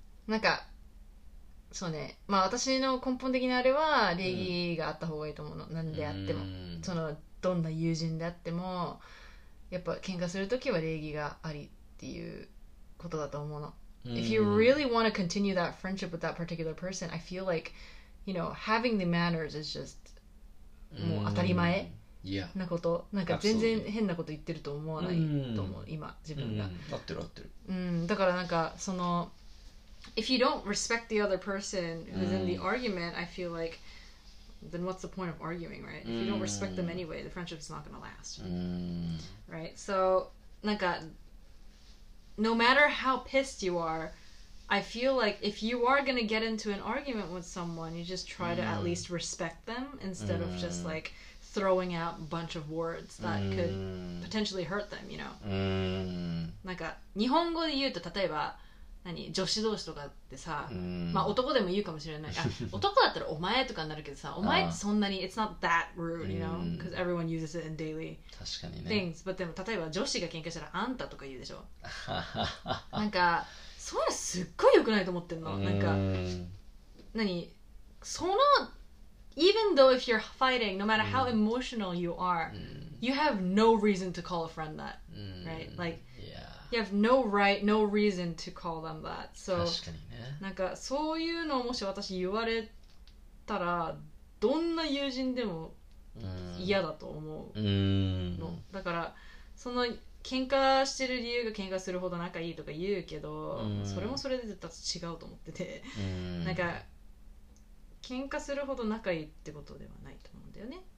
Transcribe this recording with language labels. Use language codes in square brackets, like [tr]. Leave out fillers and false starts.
[ja] なんかそうね、まあ私の根本的なあれは礼儀があった方がいいと思うの、何であっても、そのどんな友人であってもやっぱ喧嘩するときは礼儀がありっていうことだと思うの。 [en] If you really want to continue that friendship with that particular person, I feel like, you know, having the manners is just [ja] もう当たり前なこと。 [en] Yeah. [ja] なんか全然変なこと言ってると思わないと思う、今自分が。合ってる合ってる。だからなんかその [en] If you don't respect the other person who's in the argument, I feel like,then what's the point of arguing, right? If you don't respect them anyway, the friendship's not gonna last. Right? So, like, no matter how pissed you are, I feel like if you are gonna get into an argument with someone, you just try to at least respect them instead of just, like, throwing out a bunch of words that could potentially hurt them, you know? [ja] なんか日本語で言うと例えば何女子同士とかってさ、まあ男でも言うかもしれない。あ、男だったらお前とかになるけどさ、お前ってそんなに [en] it's not that rude, you know? Because everyone uses it in daily things. [ja] But でも例えば女子が喧嘩したらあんたとか言うでしょ。なんかそういうのすっごい良くないと思ってんの。なんか何その [en] even though if you're fighting, no matter how emotional you are, you have no reason to call a friend that, right? Like,You have no right, no reason to call them that. So, [ja] 確かにね。なんかそういうのをもし私言われたらどんな友人でも嫌だと思うの。だからその喧嘩してる理由が喧嘩するほど仲いいとか言うけど、それもそれで違うと思ってて、なんか喧嘩するほど仲いいってことではないと思うんだよね。